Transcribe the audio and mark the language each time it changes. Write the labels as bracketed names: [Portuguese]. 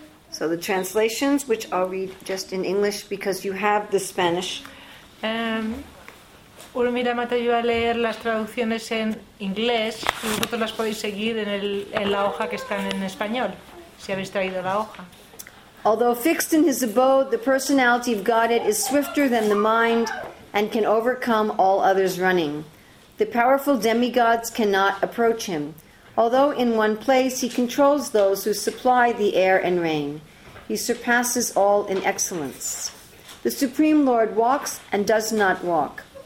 [English] So the translations, which I'll read just in English because you have the Spanish. [Spanish] Urmila Mata, yo voy a leer las traducciones en inglés y vosotros las podéis seguir en la hoja que están en español, si habéis traído la hoja. [English] Although fixed in his abode, the personality of Godhead is swifter than the mind and can overcome all others running. The powerful demigods cannot approach him. Although in one place, he controls those who supply the air and rain. He surpasses all in excellence. The Supreme Lord walks and does not walk.